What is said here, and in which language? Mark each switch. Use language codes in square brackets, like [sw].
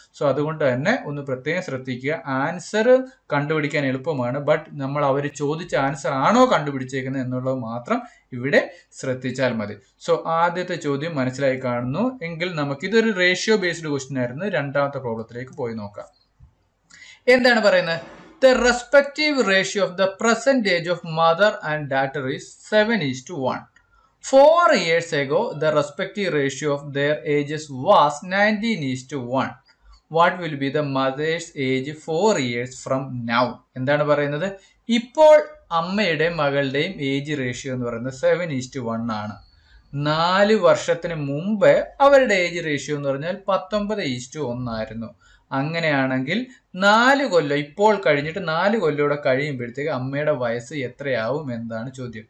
[ml] So അതുകൊണ്ട് തന്നെ ഒന്ന് പ്രത്യേകം ശ്രദ്ധിക്കുക, ആൻസർ കണ്ടുപിടിക്കാൻ എളുപ്പമാണ്, ബട്ട് നമ്മൾ അവർ ചോദിച്ച ആൻസർ ആണോ കണ്ടുപിടിച്ചേക്കുന്നത് എന്നുള്ളത് മാത്രം ഇവിടെ ശ്രദ്ധിച്ചാൽ മതി. സോ ആദ്യത്തെ ചോദ്യം മനസ്സിലായി കാണുന്നു എങ്കിൽ നമുക്കിതൊരു റേഷ്യോ ബേസ്ഡ് ക്വസ്റ്റ്യൻ ആയിരുന്നു. രണ്ടാമത്തെ പ്രോബ്ലത്തിലേക്ക് പോയി നോക്കാം. എന്താണ് പറയുന്നത്, [en] The respective ratio of the present age of mother and daughter is 7:1. 4 years ago, the respective ratio of their ages was 19:1. What will be the mother's age 4 years from now? [ml] എന്താണ് പറയുന്നത്, ഇപ്പോൾ അമ്മയുടെ മകളുടെയും ഏജ് റേഷ്യോ എന്ന് പറയുന്നത് 7:1 ആണ്. 4 വർഷത്തിന് മുമ്പ് അവരുടെ ഏജ് റേഷ്യോ എന്ന് പറഞ്ഞാൽ 19:1 ആയിരുന്നു. അങ്ങനെയാണെങ്കിൽ 4 കൊല്ലം ഇപ്പോൾ കഴിഞ്ഞിട്ട് 4 കൊല്ലൂടെ കഴിയുമ്പോഴത്തേക്ക് അമ്മയുടെ വയസ്സ് എത്രയാവും എന്നാണ് ചോദ്യം.